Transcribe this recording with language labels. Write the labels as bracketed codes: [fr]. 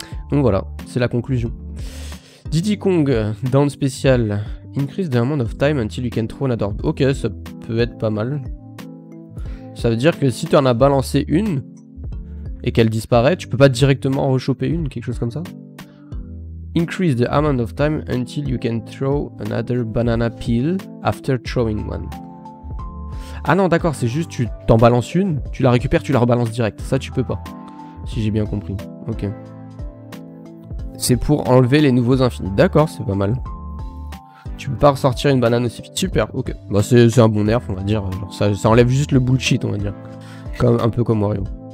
[fr] Donc voilà, c'est la conclusion. Diddy Kong, down spécial. [en] Increase the amount of time until you can throw an adorb. [fr] Ok, ça peut être pas mal. Ça veut dire que si tu en as balancé une et qu'elle disparaît, tu peux pas directement rechoper une, quelque chose comme ça. [en] Increase the amount of time until you can throw another banana peel after throwing one. [fr] Ah non, d'accord, c'est juste tu t'en balances une, tu la récupères, tu la rebalances direct. Ça, tu peux pas. Si j'ai bien compris. Ok. C'est pour enlever les nouveaux infinis. D'accord, c'est pas mal. Tu peux pas ressortir une banane aussi vite. Super, ok. Bah c'est un bon nerf, on va dire. Genre ça enlève juste le bullshit, on va dire. Un peu comme Wario.